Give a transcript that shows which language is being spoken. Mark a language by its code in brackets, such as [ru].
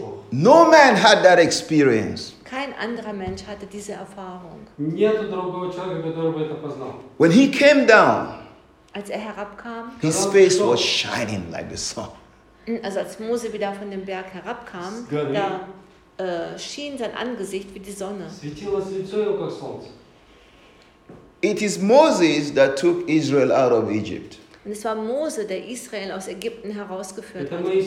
[en] No man had that experience. [de] Kein anderer Mensch hatte diese Erfahrung. [ru] Нету другого человека, который бы это познал. [en] When he came down, [de] als er herabkam, [en] his face was shining like the sun. [de] Also als Mose wieder von dem Berg herabkam, da schien sein Angesicht wie die Sonne. [ru] Светилось лицо его как солнце. [en] It is Moses that took Israel out of Egypt. [de] Und es war Mose, der Israel aus Ägypten herausgeführt hat.